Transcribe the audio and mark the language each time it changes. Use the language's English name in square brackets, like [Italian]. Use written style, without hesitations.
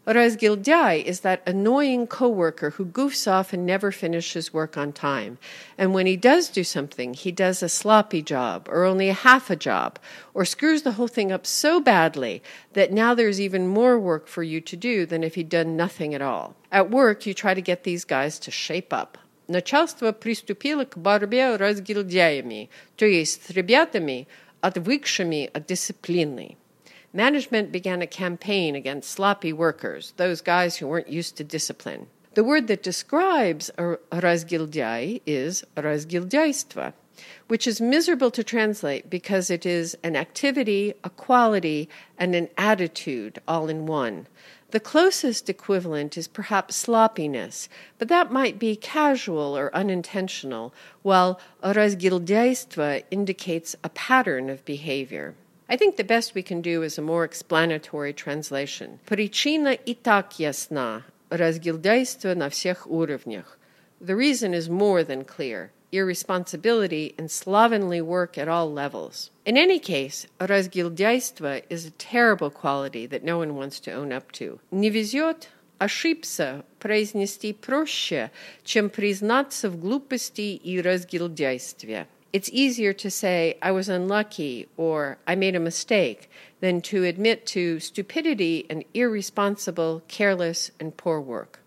[English] Razgildiai is that annoying co-worker who goofs off and never finishes work on time, and when he does do something, he does a sloppy job, or only a half a job, or screws the whole thing up so badly that now there's even more work for you to do than if he'd done nothing at all. At work, you try to get these guys to shape up. [Russian] Начальство приступило к борьбе разгильдяями, то есть с ребятами, отвыкшими от дисциплины. [English] Management began a campaign against sloppy workers, those guys who weren't used to discipline. The word that describes разгильдяй is разгильдяйство, which is miserable to translate because it is an activity, a quality, and an attitude all in one. The closest equivalent is perhaps sloppiness, but that might be casual or unintentional, while разгильдяйство indicates a pattern of behavior. I think the best we can do is a more explanatory translation. [Russian] Причина и так ясна. Разгильдяйство на всех уровнях. [English] The reason is more than clear. Irresponsibility and slovenly work at all levels. In any case, разгильдяйство is a terrible quality that no one wants to own up to. [Russian] Не везет, ошибся, произнести проще, чем признаться в глупости и разгильдяйстве. [English] It's easier to say, I was unlucky, or I made a mistake, than to admit to stupidity and irresponsible, careless, and poor work.